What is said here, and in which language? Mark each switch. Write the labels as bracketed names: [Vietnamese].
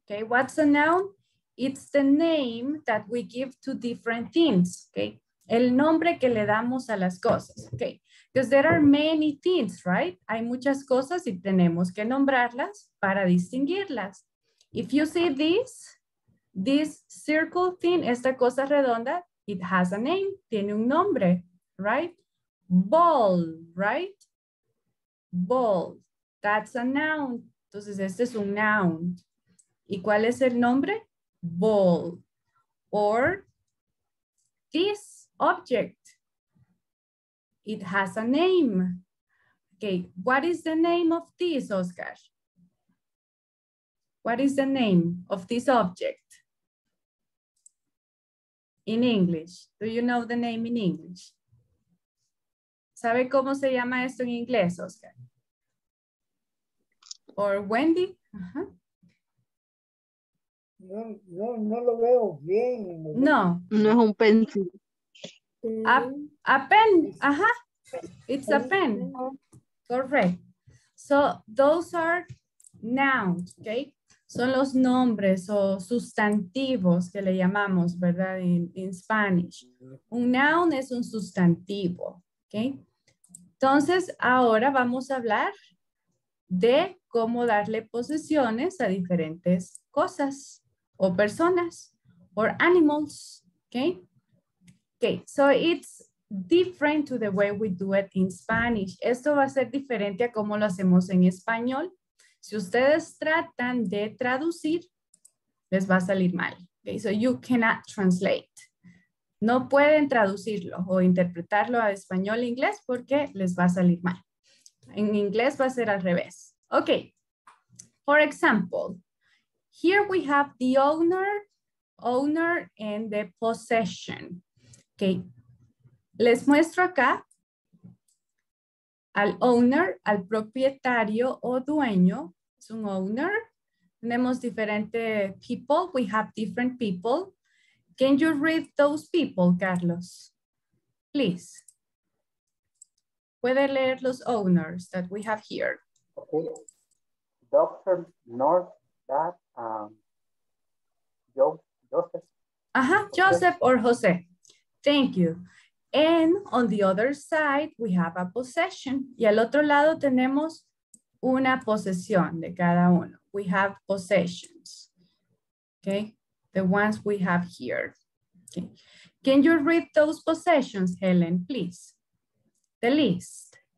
[English] Okay, what's a noun? It's the name that we give to different things. [Spanish] Okay, el nombre que le damos a las cosas. [English] Okay, because there are many things, right? [Spanish] Hay muchas cosas y tenemos que nombrarlas para distinguirlas. [English] If you see this circle thing, [Spanish] esta cosa redonda, [English] it has a name, [Spanish] tiene un nombre, [English] right? Ball, right? Ball, that's a noun. [Spanish] Entonces, este es un noun. ¿Y cuál es el nombre? Ball. [English] Or this object, it has a name. Okay, what is the name of this, Oscar? What is the name of this object? In English, do you know the name in English? [Spanish] ¿Sabe cómo se llama esto en inglés, Oscar? [English] Or Wendy? [Spanish] No lo veo bien. No. No es un pencil. [English] A pen, ajá. It's a pen. Correct. So those are nouns, okay? [Spanish] Son los nombres o sustantivos que le llamamos, ¿verdad? [English] In Spanish. [Spanish] Un noun es un sustantivo, ¿ok? Entonces, ahora vamos a hablar de cómo darle posesiones a diferentes cosas o personas [English] or animals, [Spanish] ¿ok? [English] Ok, so it's different to the way we do it in Spanish. [Spanish] Esto va a ser diferente a cómo lo hacemos en español. Si ustedes tratan de traducir, les va a salir mal. [English] Okay, so you cannot translate. [Spanish] No pueden traducirlo o interpretarlo a español e inglés porque les va a salir mal. En inglés va a ser al revés. Okay. [English] For example, here we have the owner and the possession. Okay. [Spanish] Les muestro acá al owner, al propietario o dueño. Un owner. Tenemos diferente people. [English] We have different people. Can you read those people, Carlos? Please. [Spanish] ¿Puede leer los owners [English] that we have here? Okay. Dr. North, Dad, Joseph. Uh-huh. Joseph or Jose. Thank you. And on the other side, we have a possession. [Spanish] Y al otro lado tenemos una posesión de cada uno. [English] We have possessions. Okay. The ones we have here. Okay. Can you read those possessions, Helen, please? The list.